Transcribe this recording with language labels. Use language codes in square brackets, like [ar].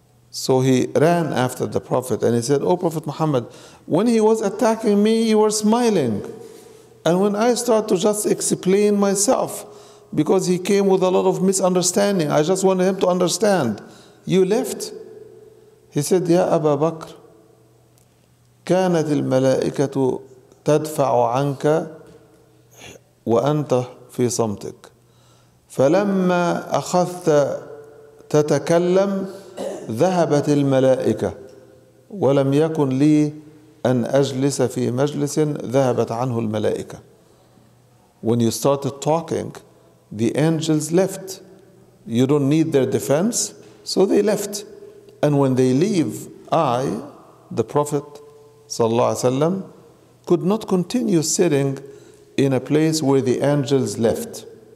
[en] So he ran after the Prophet and he said, "Oh Prophet Muhammad, when he was attacking me, you were smiling. And when I start to just explain myself, because he came with a lot of misunderstanding, I just wanted him to understand, you left?" He said, [ar] "Ya Abu Bakr, كانت الملائكة تدفع عنك وأنت في صمتك. فلما أخذت تتكلم ذهبت الملائكة ولم يكن لي أن أجلس في مجلس ذهبت عنه الملائكة." [en] When you started talking, the angels left. You don't need their defense, so they left. And when they leave, I, the Prophet صلى الله عليه وسلم, could not continue sitting in a place where the angels left.